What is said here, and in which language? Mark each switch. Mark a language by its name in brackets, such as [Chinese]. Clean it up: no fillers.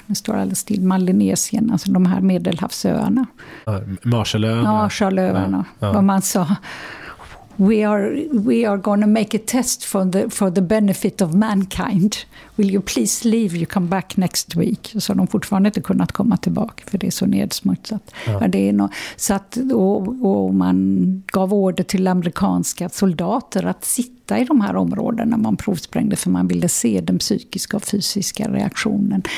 [Swedish] Nu står alldeles till, Malinesien, alltså de här Medelhavsöarna. Marshallöarna. Ja. Vad man sa, [English] we are going to make a test for the benefit of mankind. Will you please leave? You come back next week. [Swedish] Så de fortfarande inte kunnat komma tillbaka för det är så nedsmutsat. Ja. Det är och man gav order till amerikanska soldater att sitta i de här områdena man provsprängde, för man ville se den psykiska och fysiska reaktionen.